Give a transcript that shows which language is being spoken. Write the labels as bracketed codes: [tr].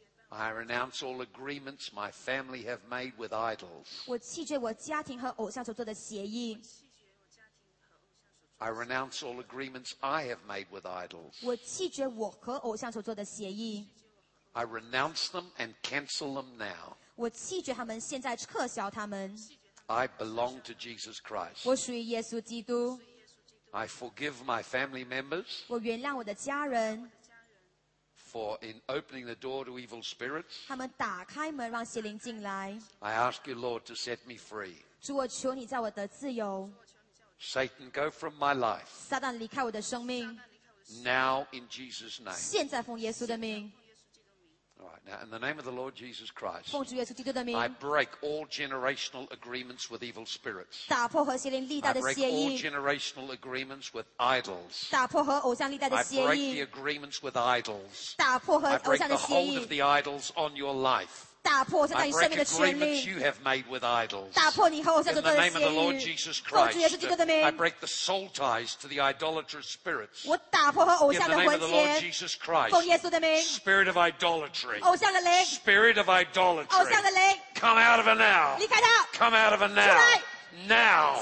[en] I renounce all agreements my family have made with idols. [zh] 我弃绝我家庭和偶像所做的协议。 [en] I renounce all agreements I have made with idols. [zh] 我弃绝我和偶像所做的协议。 [en] I renounce them and cancel them now. [zh] 我弃绝他们，现在撤销他们。 [en] I belong to Jesus Christ. [zh] 我属于耶稣基督。 [en] I forgive my family members. [zh] 我原谅我的家人。 [en] For in opening the door to evil spirits, [zh] 他们打开门让邪灵进来。 [en] I ask you, Lord, to set me free. [zh] 主，我求你叫我得自由。 [en] Satan, go from my life. [zh] 撒旦，离开我的生命。 [en] Now in Jesus' name. [zh] 现在奉耶稣的名。 [en] All right, now in the name of the Lord Jesus Christ. [zh] 奉主耶稣基督的名。 [en] I break all generational agreements with evil spirits. [zh] 打破和邪灵历代的协议。 [en] I break all generational agreements with idols. [zh] 打破和偶像历代的协议。 [en] I break the agreements with idols. [zh] 打破和偶像的协议。 [en] I break the hold of the idols on your life. [zh] 打破现在你生命的权利。 [en] You have made with idols. [zh] 打破你和偶像所做的协议。 [en] In the name of the Lord Jesus Christ. [zh] 奉主耶稣基督的名。 [en] I break the soul ties to the idolatrous spirits. [zh] 我打破和偶像的魂结。 [en] In the name of the Lord Jesus Christ. [zh] 奉耶稣的名。 [en] Spirit of idolatry. [zh] 偶像的灵。 [en] Spirit of idolatry. [zh] 偶像的灵。 [en] Come out of her now. [zh] 离开他。 [en] Come out of her now. [zh] 出来。 [en] Now,